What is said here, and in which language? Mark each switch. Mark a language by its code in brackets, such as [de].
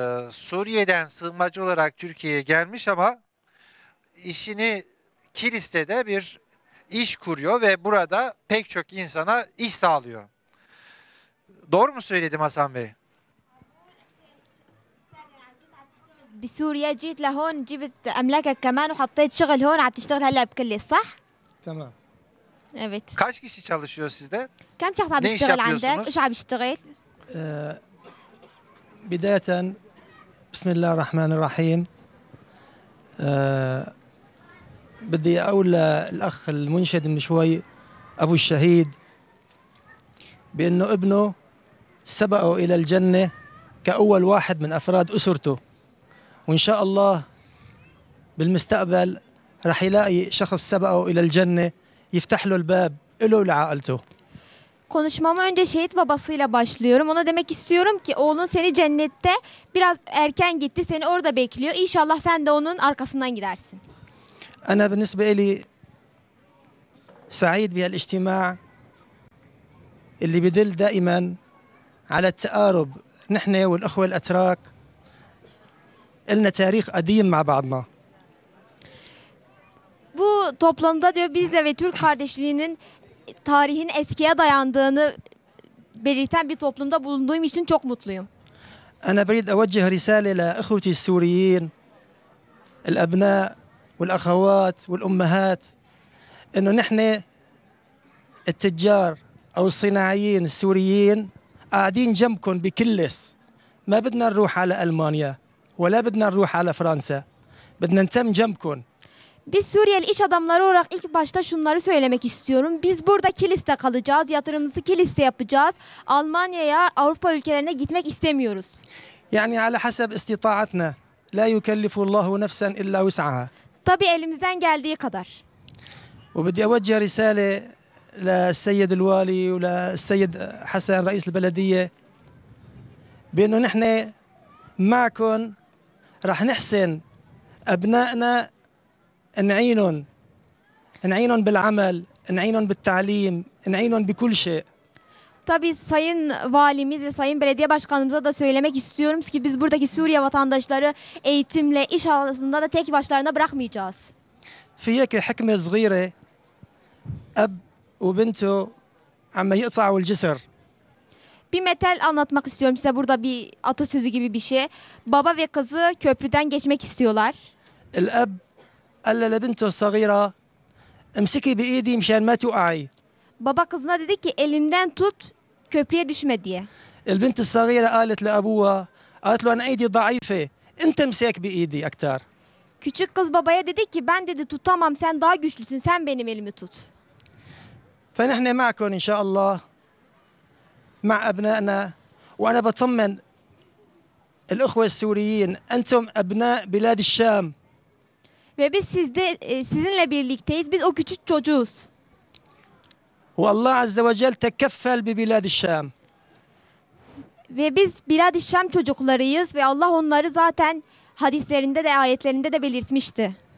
[tr] Suriye'den sığınmacı olarak Türkiye'ye gelmiş ama işini Kilis'te de bir iş kuruyor ve burada pek çok insana iş sağlıyor. Doğru mu söyledim Hasan Bey? [ar] بسوريا جيت لهون جبت املاكك كمان وحطيت شغل هون عم تشتغل هلا بكليس صح تمام [tr] evet kaç kişi çalışıyor sizde kaç [ar] şahs عم يشتغل عندك ايش عم يشتغل بدايه بسم الله الرحمن الرحيم بدي اقول للاخ المنشد من شوي ابو الشهيد بانه ابنه سبقه الى الجنه كاول واحد من افراد اسرته وإن شاء الله بالمستقبل رح يلاقي شخص سبقه إلى الجنة يفتح له الباب إله ولعائلته. [tr] Konuşmama önce şehit babasıyla başlıyorum. Ona demek istiyorum ki oğlun seni cennette biraz erken gitti. Seni orada bekliyor. İnşallah sen de onun arkasından gidersin. [ar] أنا بالنسبة لي سعيد بهالاجتماع اللي بيدل دائما على التقارب نحن والأخوة الأتراك إلنا تاريخ قديم مع بعضنا. [tr] Bu toplantıda diyor bizle ve Türk kardeşliğinin tarihin eskiye dayandığını belirten bir toplumda bulunduğum için çok mutluyum. [ar] أنا بريد أوجه رسالة لأخوتي السوريين الأبناء والأخوات والأمهات إنه نحن التجار أو الصناعيين السوريين قاعدين جنبكم بكلس ما بدنا نروح على ألمانيا. ولا بدنا نروح على فرنسا بدنا ننتم جنبكم [tr] Biz Suriyeli iş adamları olarak ilk başta şunları söylemek istiyorum. Biz burada Kilis'te kalacağız, yatırımımızı Kilis'te yapacağız. Almanya'ya, Avrupa ülkelerine gitmek istemiyoruz. [ar] Yani على حسب استطاعتنا لا يكلف الله نفسا الا وسعها. [tr] Tabii elimizden geldiği kadar. [ar] وبدي اوجه رساله للسيد الوالي وللسيد حسن رئيس البلديه بانه نحن معكم رح نحسن أبنائنا نعينهم بالعمل نعينهم بالتعليم نعينهم بكل شيء [tr] Tabii Sayın Valimiz ve Sayın Belediye Başkanımıza da söylemek istiyorum ki biz buradaki Suriye vatandaşları eğitimle iş arasında da tek başlarına bırakmayacağız. [ar] فيك حكمة صغيرة أب وبنته عم يقطعوا الجسر [tr] Bir metal anlatmak istiyorum size burada bir atasözü gibi bir şey. Baba ve kızı köprüden geçmek istiyorlar. [ar] الأب قال لبنته الصغيرة امسكي بإيدي مشان ما تقعي. [tr] Baba kızına dedi ki elimden tut köprüye düşme diye. [ar] البنت الصغيرة قالت لأبوها قالت له أنا إيدي ضعيفة أنت امسك بإيدي أكثر. [tr] Küçük kız babaya dedi ki ben dedi tutamam sen daha güçlüsün sen benim elimi tut. [ar] فنحن معكم إن شاء الله مع أبنائنا وأنا بطمن الأخوة السوريين أنتم أبناء بلاد الشام. وبس [tr] sizde sizinle birlikteyiz biz o küçük çocuğuz. [ar] والله عز وجل تكفل ببلاد الشام. وبس بلاد الشام [tr] çocuklarıyız ve Allah onları zaten hadislerinde de ayetlerinde de belirtmişti.